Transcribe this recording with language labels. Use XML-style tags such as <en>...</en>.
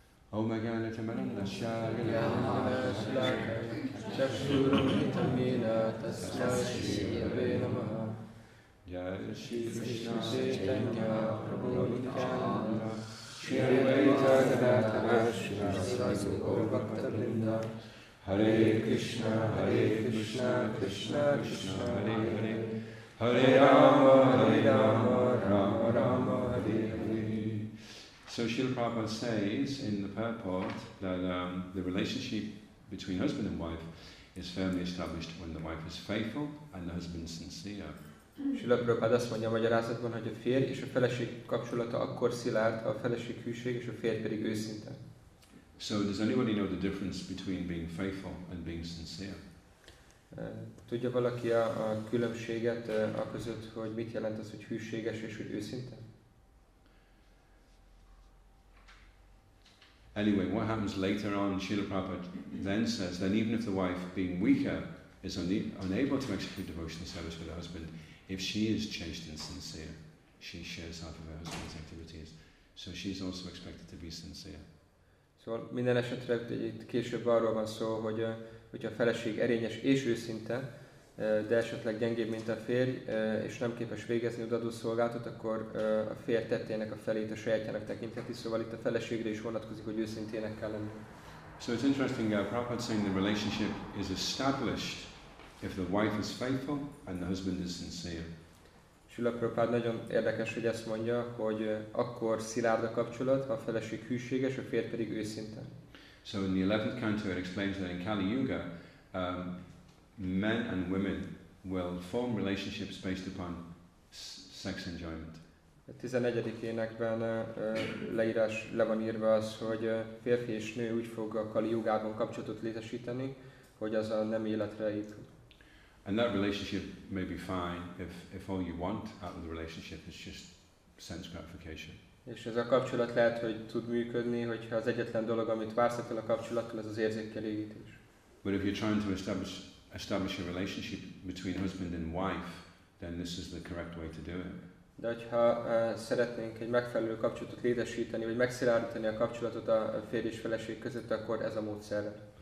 <sa>Om Agane Tamananda Shaya Yamana Shilaka Chakshuru Hitamina Tasya Shiyave Namaha Jaya Shri Krishna Chaitanya Prabhu Nityananda Shri Advaita Gadatara Shri Sasu Gaur Bhakta Vrinda Hare Krishna Krishna Krishna Hare Hare Hare Rama Hare Rama Rama Rama Hare</sa> <en>So Srila Prabhupada says in the purport that the relationship between husband and wife is firmly established when the wife is faithful and the husband sincere.</en> <hu>Srila Prabhupada azt mondja a magyarázatban, hogy a férj és a feleség kapcsolata akkor szilárd, ha a feleség hűség és a férj pedig őszinte.</hu> <en>So does anybody know the difference between being faithful and being sincere?</en> <hu>Tudja valaki a különbséget a között, hogy mit jelent az, hogy hűséges és hogy őszinte?</hu> <en>Anyway, what happens later on, Srila Prabhupada then says, then even if the wife, being weaker, is unable to execute devotional service with her husband, if she is chaste and sincere, she shares half of her husband's activities. So she's also expected to be sincere.</en> <hu>So, minden esetre, itt később arról van szó, hogy a feleség erényes és őszinte, de esetleg gyengébb, mint a férj, és nem képes végezni odaadó szolgálatot, akkor a férj tettének a felét a sajátjának tekintheti, szóval itt a feleségre is vonatkozik, hogy őszintének kell lenni.</hu> <en>So it's interesting, Prabhupada saying the relationship is established if the wife is faithful and the husband is sincere.</en> <hu>Srila Prabhupada nagyon érdekes, hogy ezt mondja, hogy akkor szilárd a kapcsolat, ha a feleség hűséges, a férj pedig őszinte.</hu> <en>So in the 11th canto it explains that in Kali Yuga, men and women will form relationships based upon sex enjoyment.</en> <hu>14. énekben leírás le van írva az, hogy férfi és nő úgy fog a Kali Yugában kapcsolatot létesíteni, hogy az a nem életre épül.</hu> <en>And that relationship may be fine if all you want out of the relationship is just sense gratification.</en> <hu>És ez a kapcsolat lehet, hogy tud működni, hogyha az egyetlen dolog, amit vársz ettől a kapcsolattól, ez az érzékelégítés.</hu> <en>But if you're trying to establish a relationship between husband and wife, then this is the correct way to do it.</en> <hu>De hogyha szeretnénk egy megfelelő kapcsolatot létesíteni, vagy megszilárdítani a kapcsolatot a férj és feleség között, akkor ez a módszer.</hu>